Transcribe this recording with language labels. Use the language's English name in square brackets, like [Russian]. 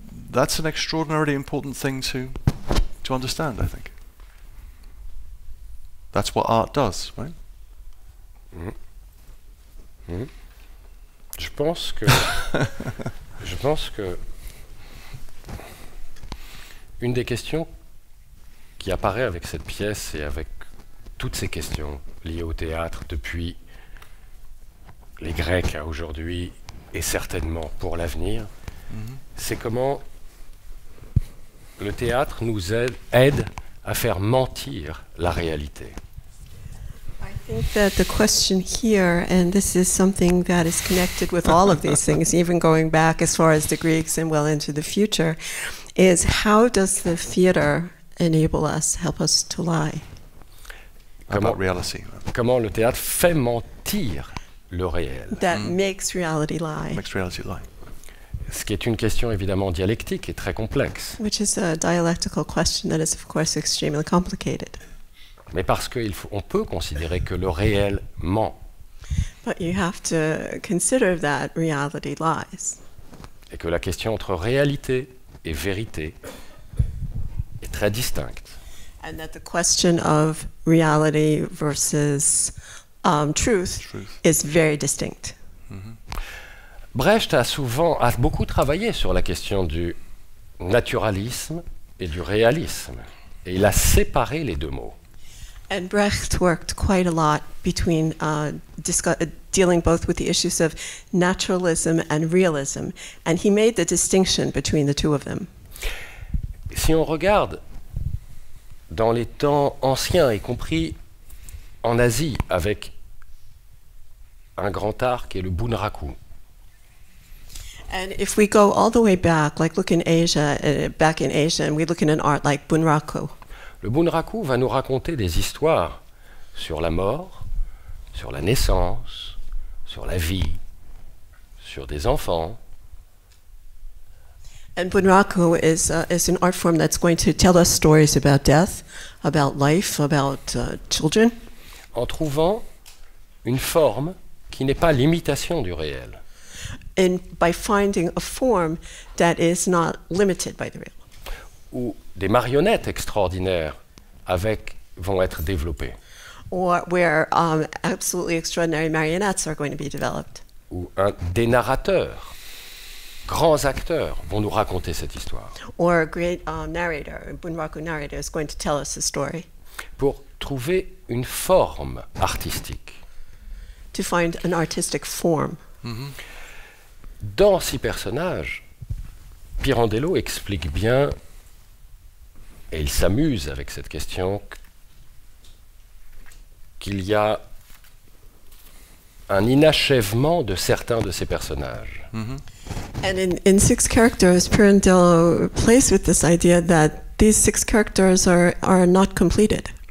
[English] That's an extraordinarily important thing to understand, I think. That's what art does, right? [French] Je pense que une des questions qui apparaît avec cette pièce et avec toutes ces questions liées au théâtre depuis les Grecs à aujourd'hui et certainement pour l'avenir, c'est comment le théâtre nous aide à faire mentir la réalité. [English] I think that the question here, and this is something that is connected with all of these things, even going back as far as the Greeks and well into the future, is how does the theater enable us, help us to lie? About reality. [French] Comment le théâtre fait mentir le réel? [English] That makes reality lie. Makes reality lie. [French] Ce qui est une question évidemment dialectique et très complexe. [English] Which is a dialectical question that is of course extremely complicated. [French] Mais parce que on peut considérer que le réel ment. [English] But you have to consider that reality lies. [French] Et que la question entre réalité et vérité est très distincte. [English] And that the question of reality versus truth is very distinct. [French] Brecht a beaucoup travaillé sur la question du naturalisme et du réalisme, et il a séparé les deux mots. [English] And Brecht worked quite a lot between dealing both with the issues of naturalism and realism, and he made the distinction between the two of them. [French] Si on regarde dans les temps anciens, y compris en Asie, avec un grand art qui est le Bunraku. [English] And if we go all the way back, like look in Asia, back in Asia, and we look in an art like Bunraku. [French] Le Bunraku va nous raconter des histoires sur la mort, sur la naissance, sur la vie, sur des enfants. [English] And Bunraku is an art form that's going to tell us stories about death, about life, about children. [French] En trouvant une forme qui n'est pas l'imitation du réel. [English] In by finding a form that is not limited by the real. [French] Ou des marionnettes extraordinaires avec vont être développées. [English] Or where absolutely extraordinary marionettes are going to be developed. [French] Ou des narrateurs, grands acteurs vont nous raconter cette histoire. [English] Or a great narrator, a Bunraku narrator is going to tell us a story. [French] pour trouver une forme artistique. [English] To find an artistic form. Mm-hmm. [French] Dans six personnages, Pirandello explique bien, et il s'amuse avec cette question, qu'il y a un inachèvement de certains de ces personnages. Mm-hmm. [English] And in six characters, Pirandello plays with this idea that these six characters are not completed.